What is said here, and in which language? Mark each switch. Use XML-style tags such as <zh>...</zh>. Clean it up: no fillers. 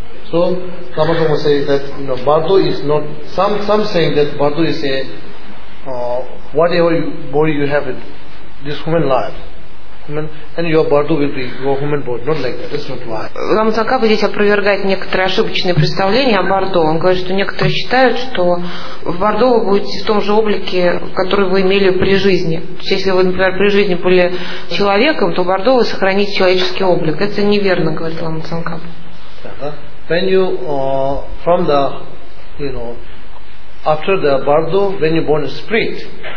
<en>So, some people say that, you know, bardo is not. Some say that bardo is a whatever body you have in this human life. And your bardo will be your human body, not like that. That's not why.</en> <ru>Лама Цанкапа здесь опровергает некоторые ошибочные представления о бардо. Он говорит, что некоторые считают, что в бардо вы будете в том же облике, который вы имели при жизни. То есть, если вы, например, при жизни были человеком, то в бардо вы сохраните человеческий облик. Это неверно, говорит Лама Цанкапа.</ru> <en>When you from the, you know, after the bardo, when you born a spirit.</en>